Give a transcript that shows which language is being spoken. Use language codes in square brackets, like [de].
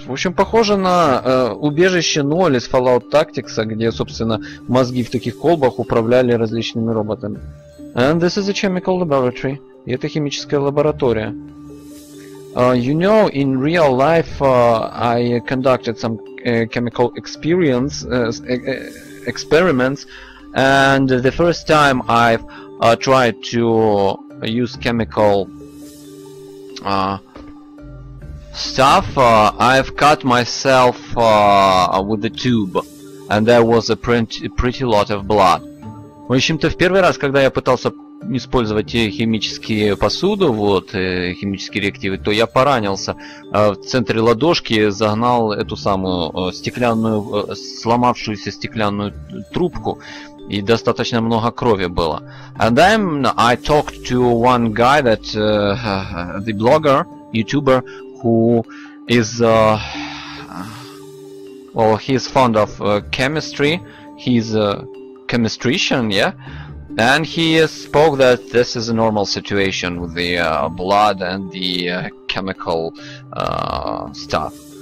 [ru] В общем, похоже на убежище 0 из Fallout Tactics, где, собственно, мозги в таких колбах управляли различными роботами. [en] And this is a chemical laboratory. [ru] И это химическая лаборатория. [en] You know, in real life I conducted some chemical experiments, and the first time I've tried to use chemical stuff, I've cut myself with the tube, and there was a pretty lot of blood. [ru] В общем-то, в первый раз, когда я пытался использовать химические посуду, вот, химические реактивы, то я поранился в центре ладошки, загнал эту самую стеклянную, сломавшуюся стеклянную трубку, и достаточно много крови было. [en] And then I talked to one guy that, the blogger, YouTuber, who is, well, he's fond of chemistry, he's a chemistrician, yeah? And he spoke that this is a normal situation with the blood and the chemical stuff.